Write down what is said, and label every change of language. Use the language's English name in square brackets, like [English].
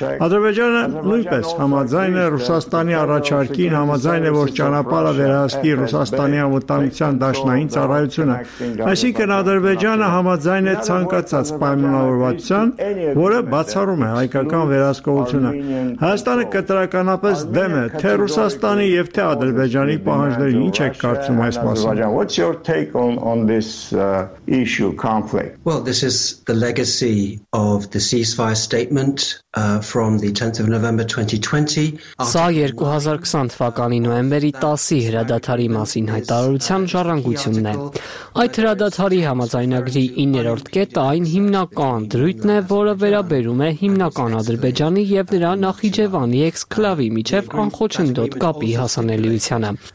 [Armenian] Ադրբեջանը նույնպես համաձայն է Ռուսաստանի առաջարկին, համաձայն է, որ ճանապարհը վերահսկի Ռուսաստանի անվտանգության դաշնային ծառայությունը։ Այսինքն Ադրբեջանը համաձայն է ցանկացած պայմանավորվածության, որը բացառում է հայկական վերահսկողությունը։ Հայաստանը կտրականապես դեմ է թե Ռուսաստանի և թե Ադրբեջանի պահանջների։ Ինչ եք կարծում այս մասին։ [English] Well, this is the legacy of the ceasefire statement from the 10th of November 2020. [Armenian] Սա 2020 թվականի նոյեմբերի 10-ի հրադադարի մասին հայտարարության ժառանգությունն է։ Այդ հրադադարի համաձայնագրի 9-րդ կետը այն հիմնական դրույթն է, որը վերաբերում է հիմնական Ադրբեջանի և նրա Նախիջևանի էքսկլավի միջև անխոչնդոտ կապի հասանելիությանը։